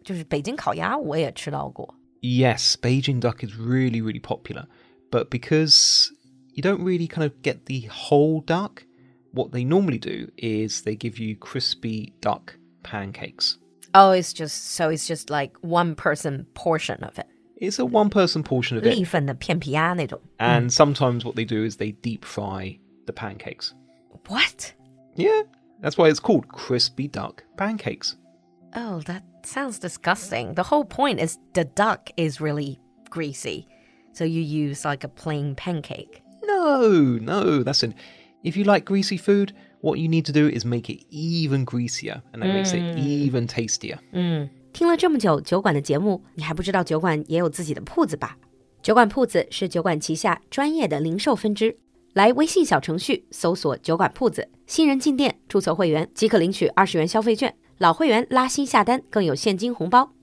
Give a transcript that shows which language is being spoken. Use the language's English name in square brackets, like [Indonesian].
[Chinese] 就是北京烤鸭我也吃到过。 [English] Yes, Beijing duck is really, really popular. But because you don't really kind of get the whole duck,What they normally do is they give you crispy duck pancakes. Oh, it's just, so it's just like one person portion of it. It's a one person portion of it. [Chinese] 粒粉的片皮啊那种。 [English] And sometimes what they do is they deep fry the pancakes. What? Yeah, that's why it's called crispy duck pancakes. Oh, that sounds disgusting. The whole point is the duck is really greasy. So you use like a plain pancake. No, that's an... If you like greasy food, what you need to do is make it even greasier, and that makes it even tastier. [Chinese] 听了这么久酒馆的节目，你还不知道酒馆也有自己的铺子吧？酒馆铺子是酒馆旗下专业的零售分支。来微信小程序搜索酒馆铺子，新人进店，注册会员即可领取20元消费券，老会员拉新下单更有现金红包。